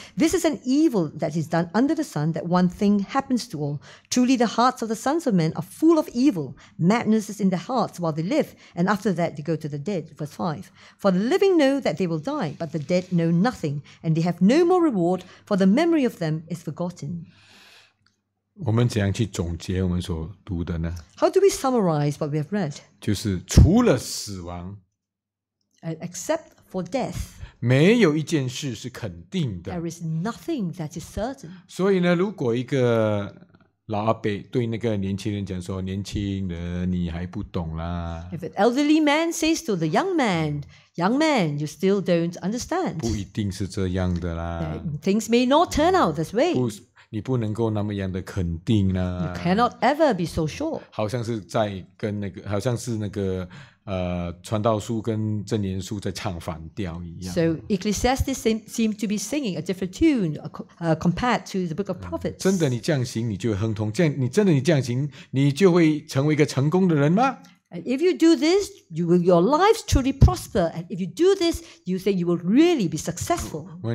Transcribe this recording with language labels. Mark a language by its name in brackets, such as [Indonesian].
[English] This is an evil that is done under the sun, that one thing happens to all. Truly the hearts of the sons of men are full of evil. Madness is in their hearts while they live, and after that they go to the dead. Verse 5. For the living know that they will die, but the dead know nothing, and they have no more reward, for the memory of them is forgotten. [Chinese] 我们怎样去总结我们所读的呢? [English] How do we summarize what we have read? [Chinese] 就是除了死亡, [English] except for death, [Chinese] 没有一件事是肯定的。 [English] There is nothing that is certain. [Chinese] 所以呢, 如果一个老阿伯对那个年轻人讲说, 年轻人你还不懂啦。 [English] If an elderly man says to the young man, young man, you still don't understand. [Chinese] 不一定是这样的啦。 [English] Things may not turn out this way. [Chinese] 你不能够那么样的肯定啦。 [English] You cannot ever be so sure. [Chinese] 好像是在跟那个 传道书跟真言书在唱反调一样。 [English] So Ecclesiastes seem to be singing a different tune compared to the book of Prophets. [Chinese] 真的你这样行你就会亨通, 真的你这样行, 你就会成为一个成功的人吗? [English] And if you do this, you will your lives truly prosper. And if you do this, you think you will really be successful.